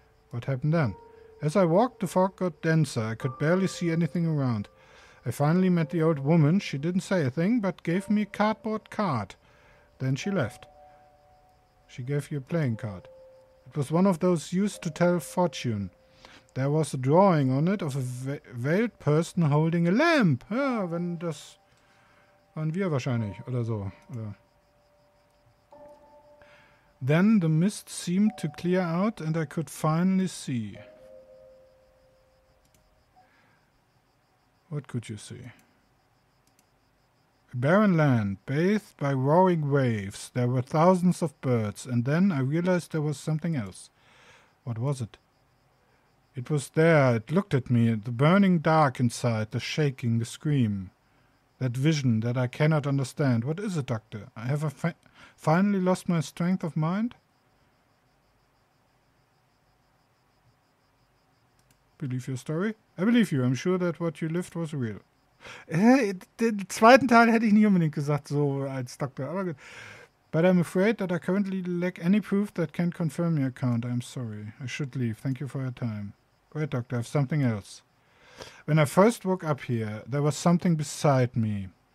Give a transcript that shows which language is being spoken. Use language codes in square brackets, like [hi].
[en] What happened then? As I walked, the fog got denser. I could barely see anything around. I finally met the old woman. She didn't say a thing, but gave me a cardboard card. Then she left. She gave you a playing card. It was one of those used to tell fortune. There was a drawing on it of a veiled person holding a lamp. [de] Ja, wenn das waren wir wahrscheinlich oder so. Oder. [en] Then the mist seemed to clear out and I could finally see. What could you see? Barren land, bathed by roaring waves. There were thousands of birds, and then I realized there was something else. What was it? It was there. It looked at me, the burning dark inside, the shaking, the scream. That vision that I cannot understand. What is it, Doctor? Have I finally lost my strength of mind? Believe your story? I believe you. I'm sure that what you lived was real. [de] Den zweiten Teil hätte ich nie unbedingt gesagt, so als Doktor, aber gut. [en] But I'm afraid that I currently lack any proof that can confirm your account. I'm sorry. I should leave. Thank you for your time. Wait, Doctor, I have something else. When I first woke up here, there was something beside me.